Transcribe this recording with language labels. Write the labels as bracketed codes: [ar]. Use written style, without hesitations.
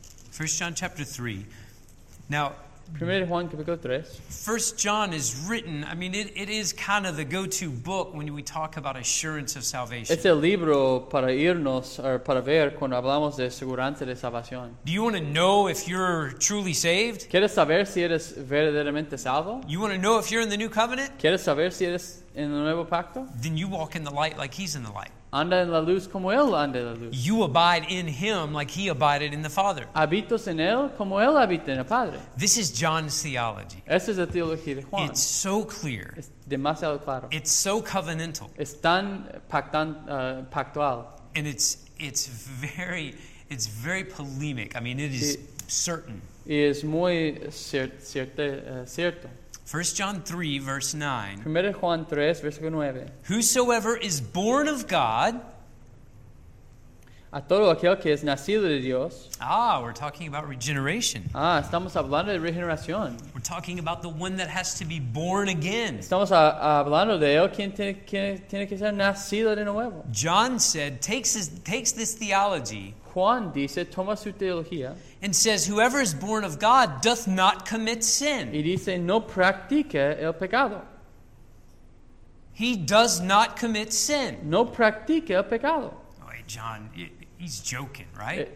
[en] First John chapter 3. Now, [es] 1 Juan capítulo 3. [en] First John is written, I mean, it is kind of the go-to book when we talk about assurance of salvation. [es] Es el libro para irnos, or para ver cuando hablamos de seguridad de salvación. [en] Do you want to know if you're truly saved? [es] ¿Quieres saber si eres verdaderamente salvo? [en] You want to know if you're in the new covenant? [es] ¿Quieres saber si eres en el nuevo pacto? [en] Then you walk in the light like he's in the light. [es] Anda en la luz como él anda en la luz. [en] You abide in him like he abided in the Father. [es] Habitas en él como él habita en el Padre. [en] This is John's theology. [es] Esta es la teología de Juan. [en] It's so clear. [es] Es demasiado claro. [en] It's so covenantal. [es] Es tan pactual. [en] And it's very polemic. I mean, it is certain. [es] Y es muy cierto. [en] 1 John 3, verse 9. [es] 1 Juan 3, verse 9. [en] Whosoever is born of God. [es] A todo aquel que es nacido de Dios. [en] Ah, we're talking about regeneration. [es] Ah, estamos hablando de regeneración. [en] We're talking about the one that has to be born again. [es] Estamos hablando de él quien tiene que ser nacido de nuevo. [en] John said, takes this theology. [es] Juan dice, toma su teología. [en] And says, whoever is born of God doth not commit sin. [es] Y dice, no practica el pecado. [en] He does not commit sin. [es] No practica el pecado. [en] Oh, hey, John, he's joking, right?